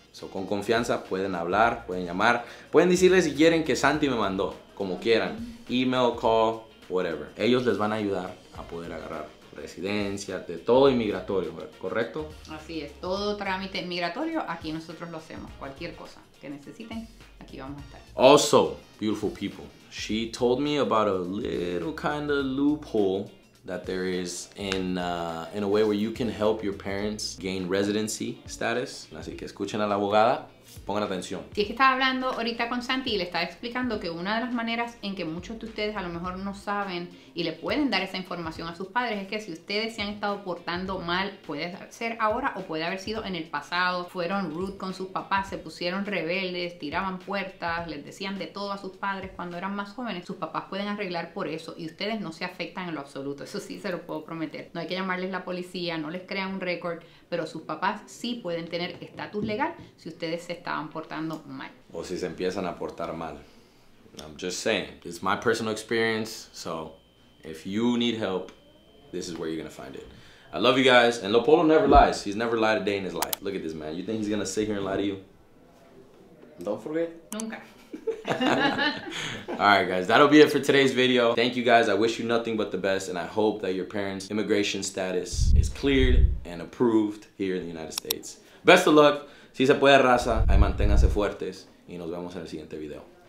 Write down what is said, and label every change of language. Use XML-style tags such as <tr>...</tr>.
<es>So, con confianza pueden hablar, pueden llamar, pueden decirles si quieren que Santi me mandó, como quieran,</es> <en>email, call, whatever.</en> <es>Ellos les van a ayudar a poder agarrar residencia, de todo inmigratorio, ¿correcto? Así es, todo trámite migratorio, aquí nosotros lo hacemos, cualquier cosa que necesiten, aquí vamos a estar.</es> <en>Also, beautiful people, she told me about a little kind of loophole that there is in a way where you can help your parents gain residency status.</en> <es>Así que escuchen a la abogada, pongan atención. Sí, es que estaba hablando ahorita con Santi y le estaba explicando que una de las maneras en que muchos de ustedes a lo mejor no saben y le pueden dar esa información a sus padres es que si ustedes se han estado portando mal, puede ser ahora o puede haber sido en el pasado, fueron rude con sus papás, se pusieron rebeldes, tiraban puertas, les decían de todo a sus padres cuando eran más jóvenes, sus papás pueden arreglar por eso y ustedes no se afectan en lo absoluto, eso sí se lo puedo prometer. No hay que llamarles la policía, no les crean un récord, pero sus papás sí pueden tener estatus legal si ustedes se estaban portando mal. O si se empiezan a portar mal.</es> <en>I'm just saying, it's my personal experience, so if you need help, this is where you're gonna find it. I love you guys, and Lopolo never lies. He's never lied a day in his life. Look at this man, you think he's gonna sit here and lie to you? Don't forget.</en> <es>Nunca.</es> <en>All right, guys, that'll be it for today's video. Thank you, guys. I wish you nothing but the best, and I hope that your parents' immigration status is cleared and approved here in the United States. Best of luck.</en> <es>Si se puede, raza, ay manténganse fuertes, y nos vemos en el siguiente video.</es>